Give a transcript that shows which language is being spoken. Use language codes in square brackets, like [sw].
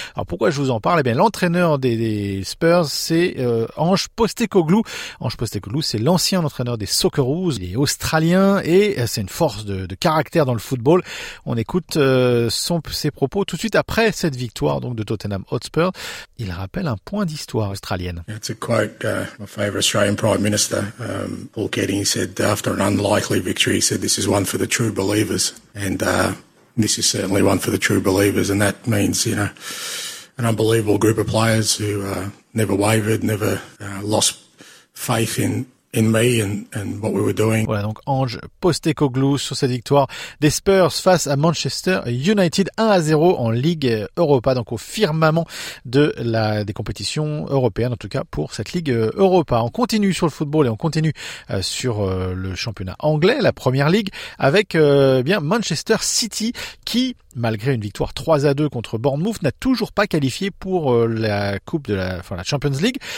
[fr] Alors pourquoi je vous en parle? Eh bien, l'entraîneur des Spurs, c'est Ange Postecoglou. Ange Postecoglou, c'est l'ancien entraîneur des Socceroos, il est australien, et c'est une force de caractère dans le football. On écoute ses propos tout de suite après cette victoire donc de Tottenham Hotspurs. Il rappelle un point d'histoire australienne. [en] It's a quote my favorite Australian Prime Minister Paul Keating said after an unlikely victory, he said this is one for the true believers, and this is certainly one for the true believers, and that means, you know, an unbelievable group of players who never wavered, never lost faith in me and what we were doing. [fr] Voilà donc Ange Postecoglou sur cette victoire des Spurs face à Manchester United 1-0 en Ligue Europa, donc au firmament des compétitions européennes, en tout cas pour cette Ligue Europa. On continue sur le football et on continue sur le championnat anglais, la Première Ligue, avec bien Manchester City qui, malgré une victoire 3-2 contre Bournemouth, n'a toujours pas qualifié pour la Champions League.